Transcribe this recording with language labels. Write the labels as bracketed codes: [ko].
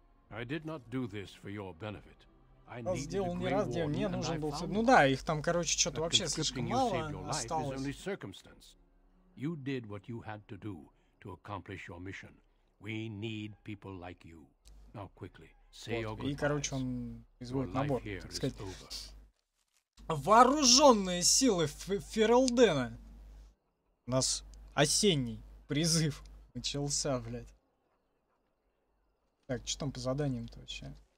[en] I did not do this for your benefit. I needed a Grey Warden. [ru] Ну да, их там, короче, что-то вообще слишком мало осталось. [en] You did what you had to do to accomplish your mission. We need people like you. Now quickly, say your goodbyes. [ru] И, короче, он изводит набор, так сказать. Вооруженные силы Ферелдена. У нас осенний призыв начался, блядь. Так, что там по заданиям-то вообще?